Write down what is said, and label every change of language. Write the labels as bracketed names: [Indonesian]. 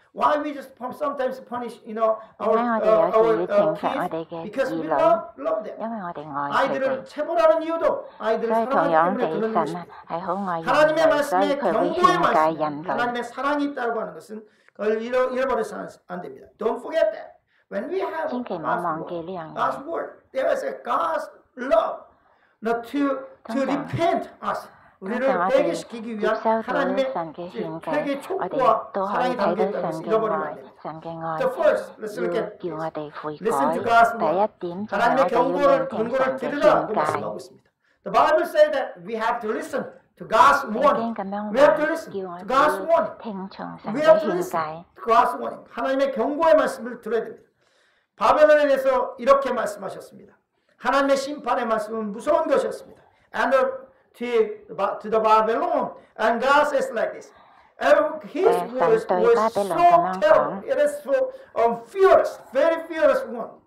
[English] why we just sometimes punish, you know, our kids? Because we love them. [Korean] 아이들을 체벌하는 이유도 아이들을 사랑하기 때문에 그런 것입니다. 하나님의 말씀에 경고의 말씀, 하나님의 사랑이 있다고 하는 것은 그걸 잃어버려서는 안 됩니다. [English] Don't forget that. When we have God's word, God's word, there is a God's love not to repent us. [Korean] 우리를 회개시키기 위한 하나님의 회개 촉구와 사랑이 담겨있다는 것을 잃어버리면 안 됩니다. [English] The first, let's look at this. Listen to God's word. [Korean] 하나님의 경고를 들으라 하고 말씀하고 있습니다. [English] The Bible says that we have to listen to God's warning. We have to listen to God's warning. We have to listen to God's warning. [Korean] 하나님의 경고의 말씀을 들어야 됩니다. 바벨론에 대해서 이렇게 말씀하셨습니다. 하나님의 심판의 말씀은 무서운 것이었습니다. [English] And to the Babylon, and God says like this, and His words was so terrible, it is so fierce, very fierce one.